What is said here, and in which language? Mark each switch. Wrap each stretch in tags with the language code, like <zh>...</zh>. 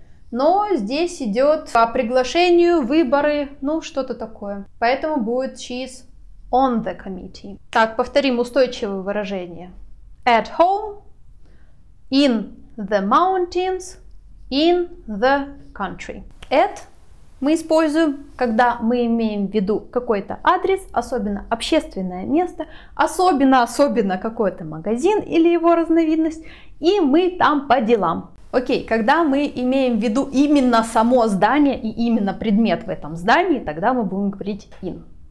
<ru>Но здесь идет по приглашению, выборы, ну, что-то такое. Поэтому будет</ru> <en>she's on the committee.</en> <ru>Так, повторим устойчивое выражение.</ru> <en>At home. In the mountains, in the country.</en> <ru>At мы используем, когда мы имеем в виду какой-то адрес, особенно общественное место, особенно какой-то магазин или его разновидность, и мы там по делам. Окей, когда мы имеем в виду именно само здание и именно предмет в этом здании, тогда мы будем говорить in.</ru>